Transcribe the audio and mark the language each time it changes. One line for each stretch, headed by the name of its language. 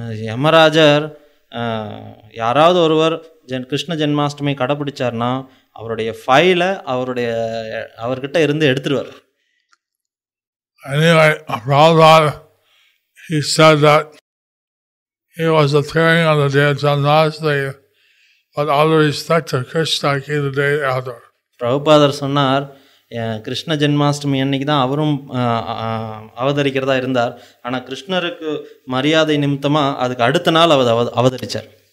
Tamil: யமராஜர் யாராவது ஒருவர் கிருஷ்ண ஜென்மாஷ்டமி கடைபிடிச்சார்னா அவருடைய ஃபைல அவருடைய அவர்கிட்ட இருந்து எடுத்துருவார்.
English: Anyway, Prabhupada, he said that he was appearing on the day of Janmastami, but out of respect to Krishna came the day after.
Tamil: பிரபுபாதர் சொன்னார், கிருஷ்ண ஜென்மாஷ்டமி அன்னைக்கு தான் அவரும் அவதரிக்கிறதா இருந்தார், ஆனால் கிருஷ்ணருக்கு மரியாதை நிமித்தமா அதுக்கு அடுத்த நாள் அவர் அவதரிச்சார்.